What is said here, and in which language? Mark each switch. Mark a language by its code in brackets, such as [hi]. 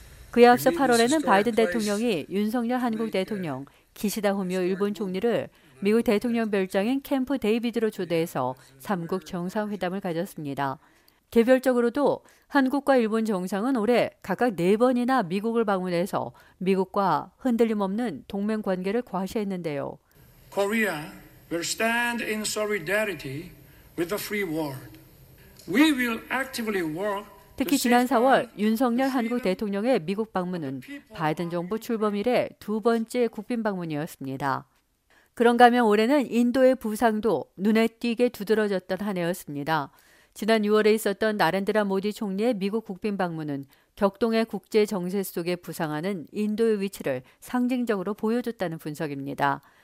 [ko] 그에 앞서 8월에는 바이든 대통령이 윤석열 한국 대통령, 기시다 후미오 일본 총리를 미국 대통령 별장인 캠프 데이비드로 초대해서 3국 정상회담을 가졌습니다. 개별적으로도 한국과 일본 정상은 올해 각각 4번이나 미국을 방문해서 미국과 흔들림 없는 동맹 관계를 과시했는데요. [en] Korea will stand in solidarity with the free world. We will actively work. [ko] 특히 지난 4월 윤석열 한국 대통령의 미국 방문은 바이든 정부 출범 이래 두 번째 국빈 방문이었습니다. 그런가 하면 올해는 인도의 부상도 눈에 띄게 두드러졌던 한 해였습니다. 지난 6월에 있었던 나렌드라 모디 총리의 미국 국빈 방문은 격동의 국제 정세 속에 부상하는 인도의 위치를 상징적으로 보여줬다는 분석입니다.